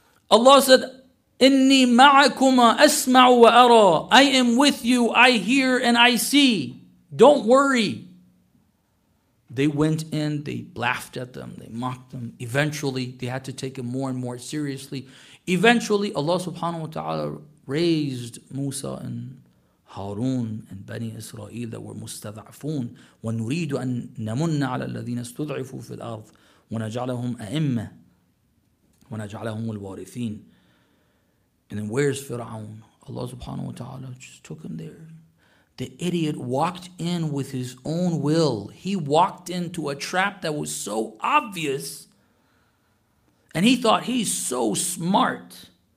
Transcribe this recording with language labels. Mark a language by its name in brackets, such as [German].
[English] Allah said, [Arabic] إِنِّي مَعَكُمَا أَسْمَعُ وَأَرَى [English] I am with you, I hear and I see. Don't worry. They went in, they laughed at them, they mocked them. Eventually, they had to take it more and more seriously. Eventually, Allah subhanahu wa ta'ala raised Musa and Harun and Bani Israel that were mustada'afun. [Arabic] وَنُرِيدُ أَن نَمُنَّ عَلَى الَّذِينَ اسْتُضْعِفُوا فِي الْأَرْضِ وَنَجْعَلَهُمْ أَئِمَّةِ وَنَجْعَلَهُمُ الْوَارِثِينَ [English] And then where's Fir'aun? Allah subhanahu wa ta'ala just took him there. The idiot walked in with his own will. He walked into a trap that was so obvious. And he thought he's so smart.